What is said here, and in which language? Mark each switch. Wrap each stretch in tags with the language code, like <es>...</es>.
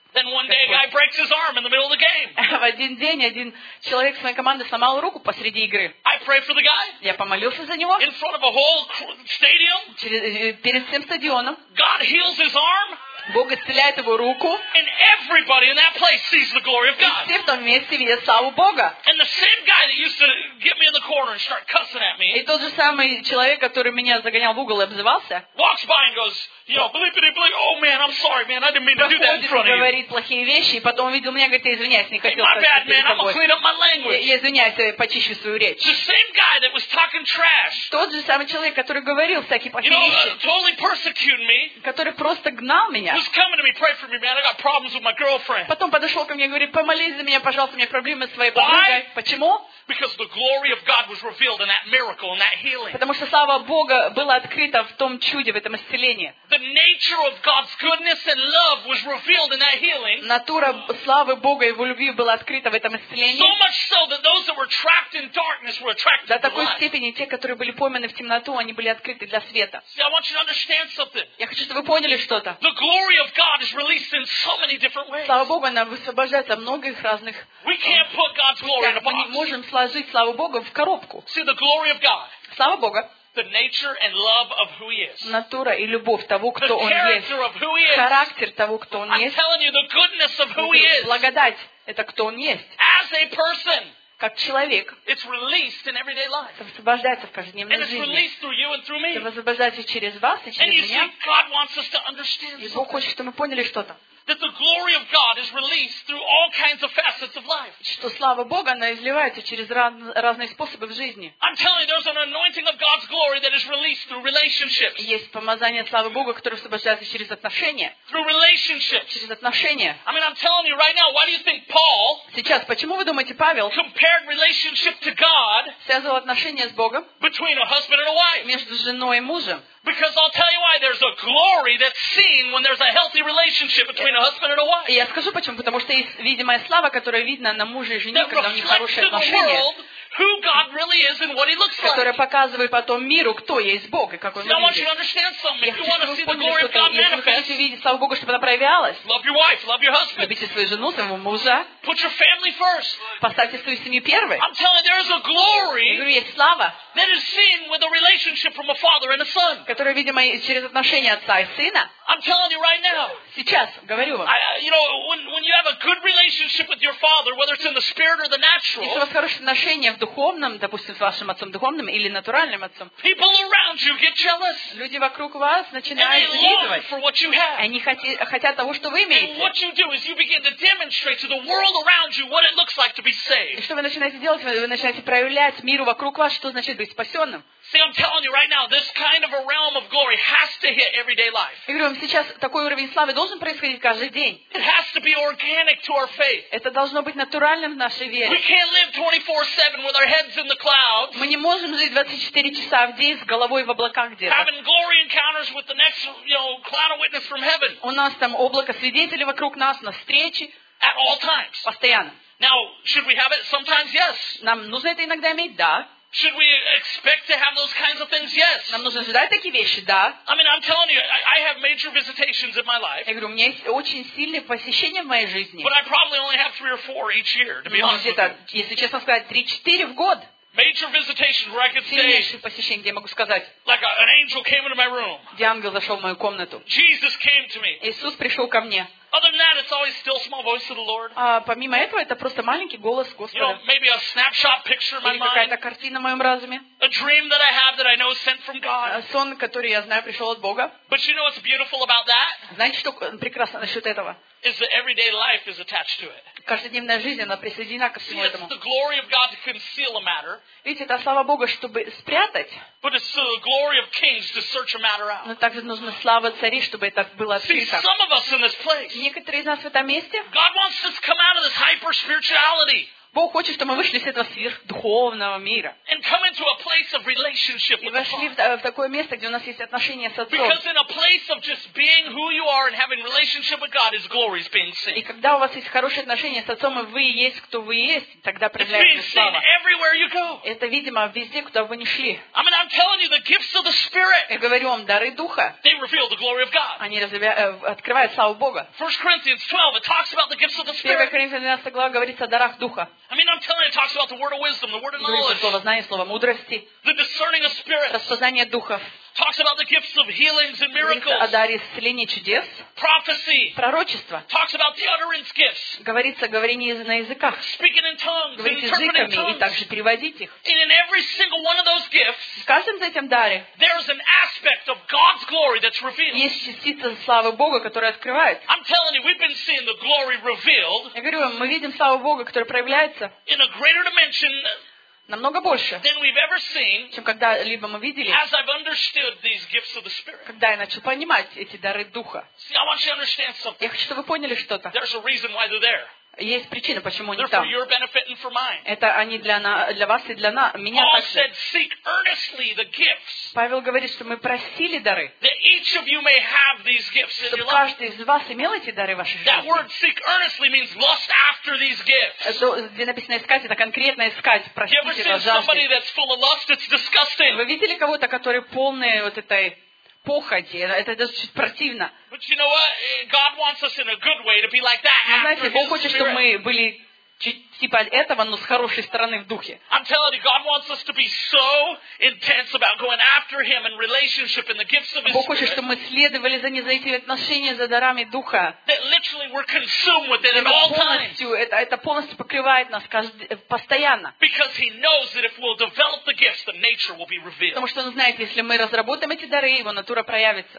<en>Then one day, a guy breaks his arm in the middle of the game.</en> <ru>В один день один человек с моей команды сломал руку посреди игры.</ru> <en>I prayed for the guy.</en> <ru>Я помолился за него.</ru> <en>In front of a whole stadium.</en> <ru>Перед всем стадионом.</ru> <en>God heals his arm.</en> <ru>Бог исцеляет его руку.</ru> <en>And everybody in that place sees the glory of God.</en> <ru>И все в том месте видят славу Бога.</ru> <en>And the same guy that used to get me in the corner and start cussing at me.</en> <ru>И тот же самый человек, который меня загонял в угол и обзывался.</ru> <en>Walks by and goes, you know, bleepity bleep. Oh man, I'm sorry, man. I didn't mean to do that in front of you.</en> <ru>Говорит плохие вещи, и потом увидел меня, говорит, извиняюсь, не хотел.</ru> <en>My bad, man. I'm gonna clean up my language.</en> <ru>Я извиняюсь, я почищу свою речь.</ru> <en>The same guy that was talking trash.</en> <ru>Тот же самый человек, который говорил всякие плохие вещи.</ru> <en>You know, totally persecuting me.</en> <ru>Который просто гнал меня.</ru> <en>Who's coming to me? Pray for me, man. I got problems with my girlfriend.</en> <ru>Потом подошел ко мне и говорит, помолись за меня, пожалуйста, у меня проблемы с своей подругой. Почему?</ru> <en>Because the glory of God was revealed in that miracle, in that healing.</en> <ru>Потому что слава Бога была открыта в том чуде, в этом исцелении.</ru> <en>The nature of God's goodness and love was revealed in that healing.</en> <ru>Натура славы Бога и его любви была открыта в этом исцелении.</ru> <en>So much so that those that were trapped in darkness were attracted to light.</en> <ru>До такой степени те, которые были пойманы в темноту, они были открыты для света.</ru> <en>See, I want you to understand something.</en> <ru>Я хочу, чтобы вы поняли что-то.</ru> <en>The glory of God is released in so many different ways.</en> <ru>Слава Богу, она высвобождается многих разных.</ru> <en>We can't put God's glory in a box.</en> <ru>Мы не можем сложить славу Богу в коробку.</ru> <en>See, the glory of God.</en> <ru>Слава Богу.</ru> <en>The nature and love of who he is.</en> <ru>Натура и любовь того, кто он есть. Характер того, кто он есть.</ru> <en>I'm telling you, the goodness of who he is.</en> <ru>Благодать – это кто он есть.</ru> <en>As a person.</en> <ru>Как человек.</ru> <en>It's released in everyday life.</en> <ru>Это высвобождается в каждодневной жизни.</ru> <en>And it's released through you and through me.</en> <ru>Это высвобождается через вас и через меня.</ru> <en>And you see, God wants us to understand.</en> <ru>И Бог хочет, чтобы мы поняли что-то.</ru> <en>That the glory of God is released through all kinds of facets of life.</en> <ru>Что слава Бога, она изливается через разные способы в жизни.</ru> <en>I'm telling you, there's an anointing of God's glory that is released through relationships.</en> <ru>Есть помазание славы Бога, которое освобождается через отношения.</ru> <en>Through relationships.</en> <ru>Через отношения.</ru> <en>I mean, I'm telling you right now, why do you think Paul?</en> <ru>Сейчас, почему вы думаете, Павел?</ru> <en>Compared relationship to God.</en> <ru>Связывал отношения с Богом.</ru> <en>Between a husband and a wife.</en> <ru>Между женой и мужем.</ru> <en>Because I'll tell you why, there's a glory that's seen when there's a healthy relationship between a husband and a wife.</en> <ru>Я скажу почему, потому что есть видимая слава, которая видна на муже и жене, когда у них хорошие отношения.</ru> <en>Who God really is and what He looks like.</en> <ru>Которая показывает потом миру, кто есть Бог и как Он выглядит.</ru> <en>I want you to understand something. If you want to see the glory of God manifest,</en> <ru>видеть славу Бога, чтобы она проявлялась.</ru> <en>Love your wife, love your husband.</en> <ru>Любите свою жену, своего мужа.</ru> <en>Put your family first.</en> <ru>Поставьте свою семью первой.</ru> <en>I'm telling you, there is a glory.</en> <ru>Я говорю, есть слава.</ru> <en>That is seen with a relationship from a father and a son.</en> <ru>Которая видима через отношения отца и сына.</ru> <en>I'm telling you right now.</en> <ru>Сейчас говорю вам.</ru> <en>You know, when you have a good relationship with your father, whether it's in the spirit or the natural.</en> <ru>Если у вас хорошие отношения в духовном, допустим, с вашим отцом духовным или натуральным отцом.</ru> <en>People around you get jealous.</en> <ru>Люди вокруг вас начинают завидовать. Они хотят того, что вы имеете.</ru> <en>And what you do is you begin to demonstrate to the world around you what it looks like to be saved.</en> <ru>И что вы начинаете делать? Вы начинаете проявлять миру вокруг вас, что значит быть спасенным.</ru> <en>See, I'm telling you right now, this kind of a realm of glory has to hit everyday life.</en> <ru>Я говорю вам сейчас, такой уровень славы должен происходить каждый день.</ru> <en>It has to be organic to our faith.</en> <ru>Это должно быть натуральным в нашей вере.</ru> <en>We can't live 24/7. With our heads in the clouds.</en> <ru>Мы не можем жить 24 часа в день с головой в облаках где-то.</ru> <en>Having glory encounters with the next, you know, cloud of witness from heaven.</en> <ru>У нас там облако свидетелей вокруг нас на встрече.</ru> <en>At all times.</en> <ru>Постоянно.</ru> <en>Now, should we have it? Sometimes, yes.</en> <ru>Нам нужно это иногда иметь, да.</ru> <en>Should we expect to have those kinds of things? Yes.</en> <ru>Нам нужно ожидать такие вещи, да.</ru> <en>I mean, I'm telling you, I have major visitations in my life.</en> <ru>Я говорю, у меня есть очень сильные посещения в моей жизни.</ru> <en>But I probably only have 3 or 4 each year, to be honest with you.</en> <ru>Если честно сказать, 3-4 в год.</ru> <en>Major visitation where I could say.</en> <ru>Сильнейшие посещения, где я могу сказать.</ru> <en>Like an angel came into my room.</en> <ru>Где ангел зашел в мою комнату.</ru> <en>Jesus came to me.</en> <ru>Иисус пришел ко мне.</ru> <en>Other than that, it's always still small voice of the Lord.</en> <ru>Помимо этого, это просто маленький голос Господа.</ru> <en>You know, maybe a snapshot picture in my mind.</en> <ru>Какая-то картина в моем разуме.</ru> <en>A dream that I have that I know is sent from God.</en> <ru>Сон, который я знаю, пришел от Бога.</ru> <en>But you know what's beautiful about that?</en> <ru>Знаете, что прекрасно насчет этого?</ru> <en>Is that everyday life is attached to it.</en> <ru>Каждодневная жизнь, она присоединена ко всему этому.</ru> <en>It's the glory of God to conceal a matter.</en> <ru>Видите, это слава Бога, чтобы спрятать.</ru> <en>But it's the glory of kings to search a matter out.</en> <ru>Но также нужна слава царей, чтобы это было открыто.</ru> <en>See, some of us in this place.</en> <ru>Некоторые из нас в этом месте.</ru> <en>God wants us to come out of this hyper-spirituality.</en> <ru>Бог хочет, чтобы мы вышли из этого сверхдуховного мира.</ru> <en>And come into a place of relationship with God.</en> <ru>И вошли в такое место, где у нас есть отношения с Отцом.</ru> <en>Because in a place of just being who you are and having relationship with God, His glory is being seen.</en> <ru>И когда у вас есть хорошие отношения с Отцом, и вы есть, кто вы есть, тогда проявляется слава.</ru> <en>It's being seen everywhere you go.</en> <ru>Это видимо везде, куда вы ни шли.</ru> <en>I mean, I'm telling you, the gifts of the Spirit.</en> <ru>Я говорю вам, дары Духа.</ru> <en>They reveal the glory of God.</en> <ru>Они открывают славу Бога.</ru> <en>1 Corinthians 12, it talks about the gifts of the Spirit.</en> <ru>1 Коринфянам 12 глава говорится о дарах Духа.</ru> <en>I mean, I'm telling you, it talks about the word of wisdom, the word of knowledge.</en> <ru>Слово знания, слово мудрости.</ru> <en>The discerning of spirits.</en> <ru>Распознание духов.</ru> <en>Talks about the gifts of healings and miracles.</en> <ru>О даре исцеления, чудес.</ru> <en>Prophecy.</en> <ru>Пророчество.</ru> <en>Talks about the utterance gifts.</en> <ru>Говорится о говорении на языках.</ru> <en>Speaking in tongues.</en> <ru>Говорить языками и также переводить их.</ru> <en>And in every single one of those gifts.</en> <ru>В каждом из этих даре.</ru> <en>There is an aspect of God's glory that's revealed.</en> <ru>Есть частица славы Бога, которая открывается.</ru> <en>I'm telling you, we've been seeing the glory revealed.</en> <ru>Я говорю вам, мы видим славу Бога, которая проявляется.</ru> <en>In a greater dimension.</en> <ru>Намного больше,</ru> <en>than we've ever seen,</en> <ru>чем когда-либо мы видели,</ru> <en>as I've understood these gifts of the Spirit.</en> <ru>Когда я начал понимать эти дары Духа.</ru> <en>See, I want you to understand something.</en> <ru>Я хочу, чтобы вы поняли что-то.</ru> <en>There's a reason why they're there.</en> <ru>Есть причина, почему они</ru> <en>they're</en> <ru>там.</ru> <en>For your benefit and for mine.</en> <ru>Это они для вас и для меня</ru> <en>Paul</en> <ru>также.</ru> <en>Said, seek earnestly the gifts.</en> <ru>Павел говорит, что мы просили дары.</ru> <en>That each of you may have these gifts in your life.</en> <ru>Чтобы каждый из вас имел эти дары в вашей жизни.</ru> <en>That word seek earnestly means lust after these gifts.</en> <ru>Это, где написано искать, это конкретно искать, просить его жаждать.</ru> <en>You ever seen somebody that's full of lust? It's disgusting.</en> <ru>Вы видели кого-то, который полный вот этой похоти, это даже чуть противно.</ru> <en>But you know what? God wants us in a good way to be like that.</en> <ru>Вы знаете, Бог хочет, чтобы мы были типа этого, но с хорошей стороны в духе.</ru> <en>I'm telling you, God wants us to be so intense about going after Him in relationship and the gifts of His</en> <ru>Бог хочет, чтобы мы следовали за ним, за эти отношения, за дарами духа.</ru> <en>That literally we're consumed with it at all times.</en> <ru>Это полностью покрывает нас постоянно.</ru> <en>Because He knows that if we'll develop the gifts, the nature will be revealed.</en> <ru>Потому что он знает, если мы разработаем эти дары, его натура проявится.</ru>